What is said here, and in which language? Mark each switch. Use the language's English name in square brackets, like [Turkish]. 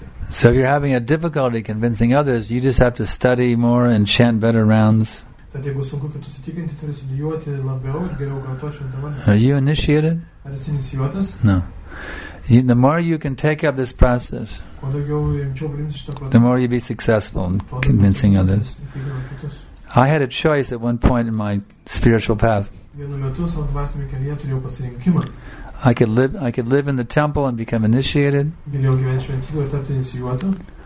[English] So if you're having a difficulty convincing others, you just have to study more and chant better rounds. [Lithuanian] Tad jeigu sunku kitus įtikinti, turi studijuoti labiau ir geriau kartuočiant dabar. [English] Are you initiated? [Lithuanian] Ar esi inicijuotas? [English] No. The more you can take up this process, the more you be successful in convincing others. I had a choice at one point in my spiritual path. [Lithuanian] Vienu metu savo dvasiniame kelyje turėjau pasirinkimą. [English] I could live in the temple and become initiated. [Lithuanian] Galėjau gyventi šventykloje ir tapti inicijuotu.